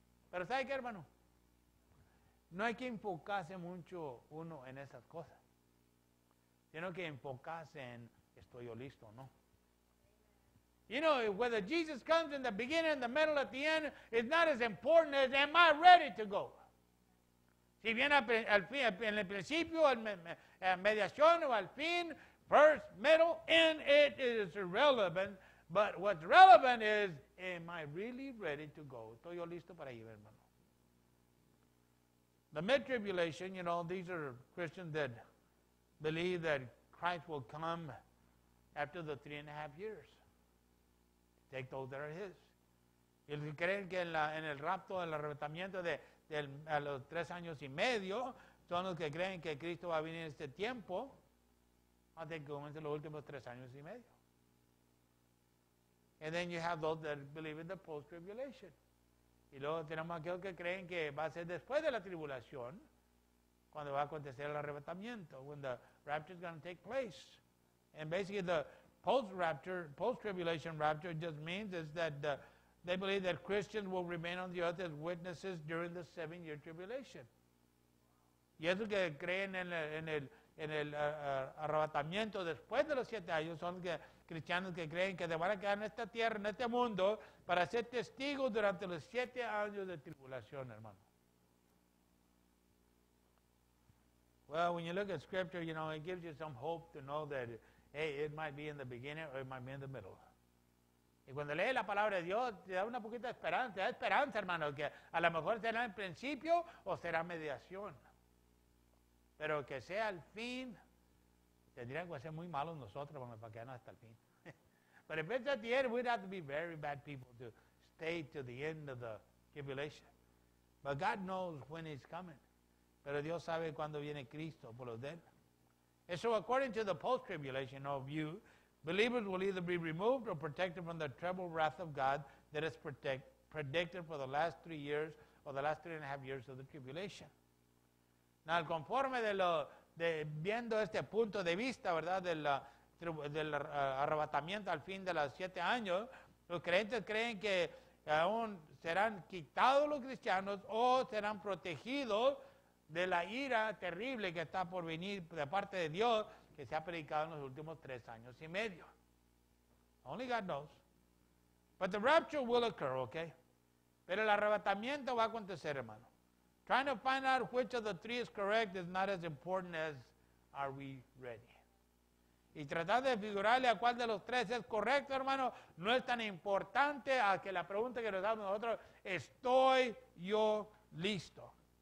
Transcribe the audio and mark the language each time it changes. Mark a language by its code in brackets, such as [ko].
[es] Pero ¿sabe qué, hermano? No hay que enfocarse mucho uno en esas cosas, sino que enfocarse en, ¿estoy yo listo o no? [en] You know, whether Jesus comes in the beginning, the middle, at the end, it's not as important as, am I ready to go? [es] Si viene en el principio, en mediación o al fin, [en] first, middle, end, it is irrelevant. But what's relevant is, am I really ready to go? [es] ¿Estoy yo listo para ir, hermano? [en] The mid-tribulation, you know, these are Christians that believe that Christ will come after the 3.5 years. Take those that are his. [es] Y si creen que en el rapto, en el arrebatamiento a los 3 años y medio, son los que creen que Cristo va a venir en este tiempo, hasta que comiencen los últimos 3 años y medio. [en] And then you have those that believe in the post-tribulation. [es] Y luego tenemos aquellos que creen que va a ser después de la tribulación, cuando va a acontecer el arrebatamiento, [en] when the rapture is going to take place. And basically the post-rapture, post-tribulation rapture just means is that they believe that Christians will remain on the earth as witnesses during the 7-year tribulation. [es] Y esos que creen en el arrebatamiento después de los 7 años son que cristianos que creen que se van a quedar en esta tierra, en este mundo, para ser testigos durante los 7 años de tribulación, hermano. [en] Well, when you look at Scripture, you know, it gives you some hope to know that, hey, it might be in the beginning or it might be in the middle. [es] Y cuando lees la palabra de Dios, te da una poquita de esperanza. Te da esperanza, hermano, que a lo mejor será en principio o será mediación. Pero que sea el fin, tendrían que ser muy malos nosotros, hermano, para quedarnos hasta el fin. [en] But if it's at the end, we'd have to be very bad people to stay to the end of the tribulation. But God knows when he's coming. [es] Pero Dios sabe cuándo viene Cristo por los de él. [en] And so according to the post-tribulation view, believers will either be removed or protected from the treble wrath of God that is predicted for the last 3 years or the last 3.5 years of the tribulation. [es] Now, conforme viendo este punto de vista, ¿verdad?, de la del arrebatamiento al fin de los siete años, los creyentes creen que aún serán quitados los cristianos o serán protegidos de la ira terrible que está por venir de parte de Dios, que se ha predicado en los últimos 3 años y medio. [en] Only God knows. But the rapture will occur, okay? [es] Pero el arrebatamiento va a acontecer, hermano. [en] Trying to find out which of the three is correct is not as important as are we ready. [es] Y tratar de figurarle a cuál de los tres es correcto, hermano, no es tan importante a que la pregunta que nos damos nosotros, ¿estoy yo listo?